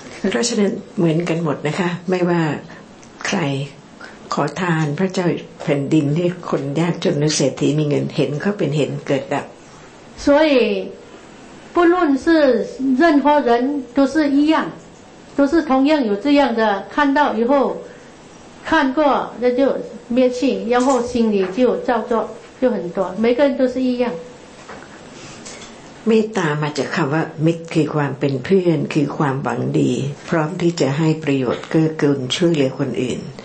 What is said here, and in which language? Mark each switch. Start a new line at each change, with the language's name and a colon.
Thai: เพราะฉะนั้นเหมือนกันหมดนะคะไม่ว่าใครขอทานพระเจ้าแผ่นดินที่คนยากจนหรือเศรษฐีมีเงินเห็นเขาเป็นเห็นเกิดดับ
Chinese: 所以不论是任何人都是一样都是同样有这样的看到以后看过那就灭性，然后心里就造作就很多，每个人都是一样。
Thai: เมตตามาจากคำว่ามิตรคือความเป็นเพื่อนคือความหวังดีพร้อมที่จะให้ประโยชน์เกื้อกูลช่วยเหลือคนอื่น